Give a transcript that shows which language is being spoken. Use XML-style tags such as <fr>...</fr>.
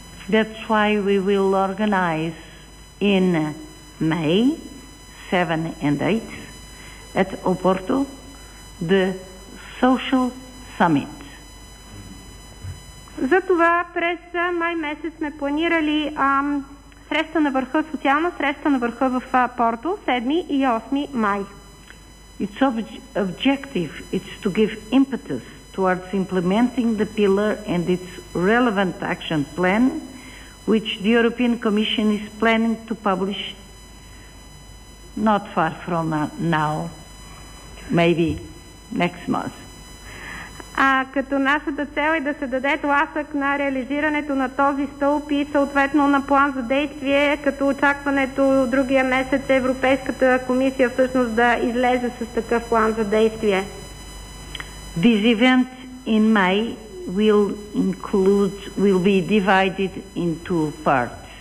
<en>That's why we will organize in May 7 and 8 at Oporto the Social Summit.</en> <bg>Затова през май месец сме планирали среща на върха, социална среща на върха в Порто, 7 и 8 май.</bg> <en>Its objective is to give impetus towards implementing the pillar and its relevant action plan, which the European Commission is planning to publish not far from now, maybe next month.</en> <bg>Като нашата цел е да се даде тласък на реализирането на този стълб и съответно на план за действие, като очакването другия месец Европейската комисия всъщност да излезе с такъв план за действие.</bg> <en>This event in May will be divided in two parts.</en>